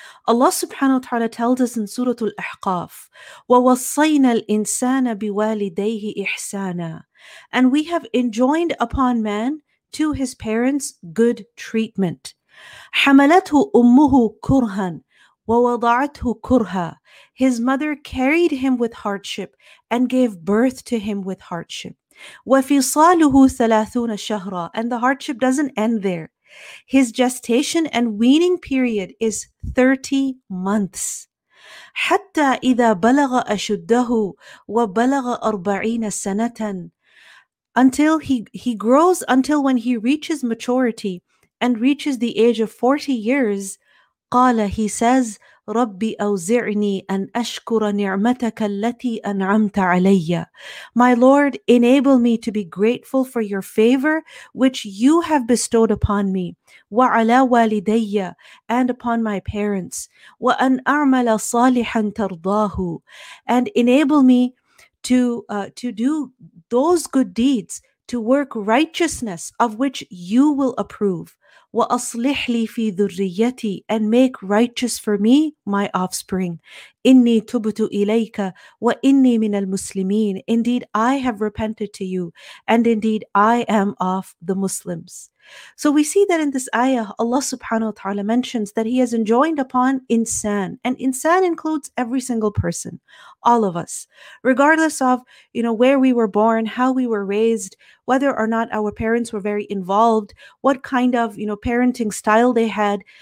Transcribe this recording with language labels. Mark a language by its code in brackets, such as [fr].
[en] Allah subhanahu wa ta'ala tells us in Surah Al-Ahqaf, [ar] وَوَصَّيْنَا الْإِنسَانَ بِوَالِدَيْهِ إِحْسَانًا. [en] And we have enjoined upon man to his parents good treatment. [ar] حَمَلَتْهُ أُمُّهُ كُرْهًا وَوَضَعَتْهُ كُرْهًا. [en] His mother carried him with hardship and gave birth to him with hardship. [ar] وَفِصَالُهُ 30 شَهْرًا. [en] And the hardship doesn't end there. His gestation and weaning period is 30 months. [ar] حَتَّى إِذَا بَلَغَ أَشُدَّهُ وَبَلَغَ 40 سَنَةً. [en] Until he grows, until when he reaches maturity and reaches the age of 40 years, قَالَ, he says, [ar] ربي أوزعني أن أشكر نعمتك التي أنعمت علي. [en] My Lord, enable me to be grateful for your favor which you have bestowed upon me [ar] وعلى والدي [en] and upon my parents [ar] وأن أعمل صالحا ترضاه. [en] And enable me to do those good deeds, to work righteousness of which you will approve. [ar] وأصلح لي في ذريتي, [en] and make righteous for me my offspring. [ar] إني تبت إليك وإني من المسلمين. [en] Indeed, I have repented to you, and indeed, I am of the Muslims. So we see that in this ayah, Allah subhanahu wa ta'ala mentions that He has enjoined upon insan, and insan includes every single person, all of us, regardless of, you know, where we were born, how we were raised, whether or not our parents were very involved, what kind of, you know, parenting style they had.